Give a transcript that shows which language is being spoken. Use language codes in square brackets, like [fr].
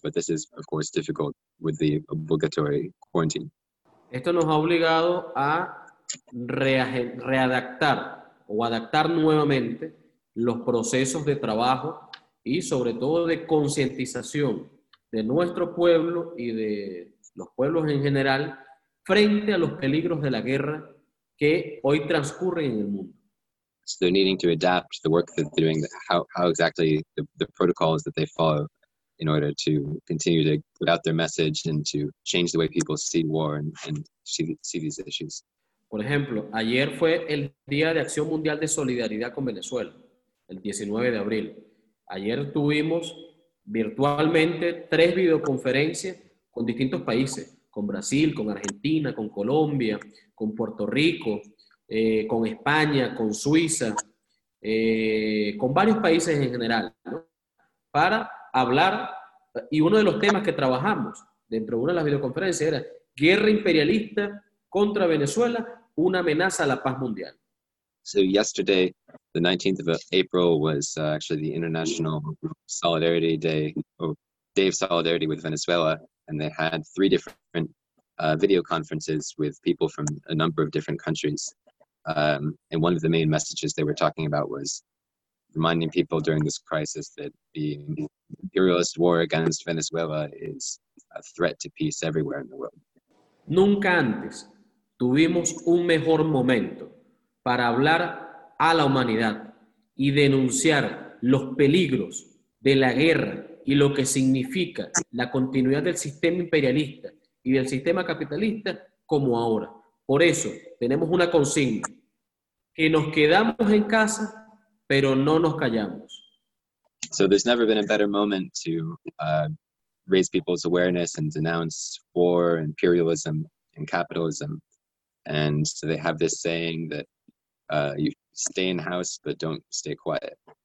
[en] But this is, of course, difficult with the obligatory quarantine. [es] Esto nos ha obligado a readaptar o adaptar nuevamente los procesos de trabajo y sobre todo de concientización de nuestro pueblo y de los pueblos en general frente a los peligros de la guerra que hoy transcurren en el mundo. [en] So they're needing to adapt the work that they're doing, how exactly the protocols that they follow in order to continue to put out their message and to change the way people see war and see these issues. [es] Por ejemplo, ayer fue el Día de Acción Mundial de Solidaridad con Venezuela, el 19 de abril. Ayer tuvimos virtualmente tres videoconferencias con distintos países, con Brasil, con Argentina, con Colombia, con Puerto Rico, con España, con Suiza, con varios países en general, ¿no? Para hablar, y uno de los temas que trabajamos dentro de una de las videoconferencias era guerra imperialista contra Venezuela, una amenaza a la paz mundial. [en] So yesterday, the 19th of April, was actually the International Solidarity Day, or Day of Solidarity with Venezuela, and they had three different video conferences with people from a number of different countries. And one of the main messages they were talking about was reminding people during this crisis that the imperialist war against Venezuela is a threat to peace everywhere in the world. [es] Nunca antes tuvimos un mejor momento para hablar a la humanidad y denunciar los peligros de la guerra y lo que significa la continuidad del sistema imperialista y del sistema capitalista como ahora. Por eso, tenemos una consigna, que nos quedamos en casa, pero no nos callamos. [en] So there's never been a better moment to raise people's awareness and denounce war, imperialism, and capitalism. And so they have this saying that you stay in house, but don't stay quiet.